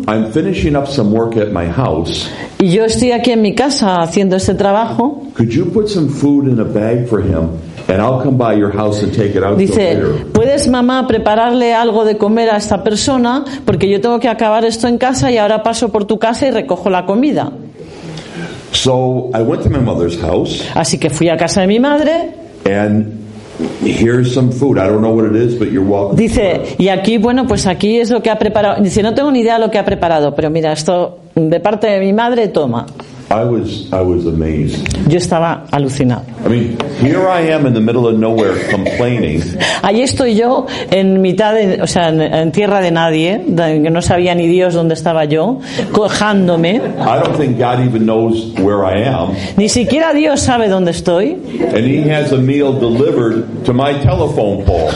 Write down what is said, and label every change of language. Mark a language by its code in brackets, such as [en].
[en] I'm finishing up some work at my house. [es] Y yo estoy aquí en mi casa haciendo este trabajo. [en] Could you put some food in a bag for him? And I'll come by your house and take it out. [es] Dice, ¿puedes, mamá, prepararle algo de comer a esta persona? Porque yo tengo que acabar esto en casa y ahora paso por tu casa y recojo la comida. [en] So I went to my mother's house. [es] Así que fui a casa de mi madre. [en] And here's some food. I don't know what it is, but you're welcome. [es] Dice, y aquí, bueno, pues aquí es lo que ha preparado. Dice, no tengo ni idea lo que ha preparado, pero mira, esto de parte de mi madre, toma. [en] I was amazed. [es] Yo estaba alucinado. [en] I mean, here I am in the middle of nowhere complaining. [es] Ahí estoy yo en mitad de, o sea, en tierra de nadie, que no sabía ni Dios dónde estaba yo, quejándome. [en] I don't think God even knows where I am. [es] Ni siquiera Dios sabe dónde estoy. [en] And he has a meal delivered to my telephone pole.